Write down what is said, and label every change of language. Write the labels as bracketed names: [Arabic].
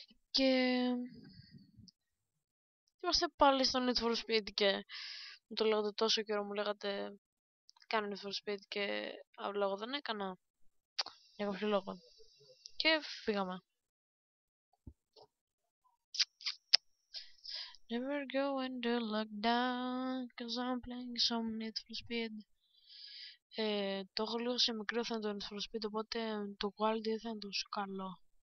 [Greek] Και είμαστε πάλι στο Need for Speed και μου το λέγατε τόσο καιρό, μου λέγατε κάνω Need for Speed και απλά εγώ δεν έκανα για κάποιο λόγο και φύγαμε. [English] Never go into lockdown, cause I'm playing some Need for Speed. [Greek] Το έχω λίγο σε μικρό θέμα το Need for Speed, οπότε το quality ήταν τόσο καλό.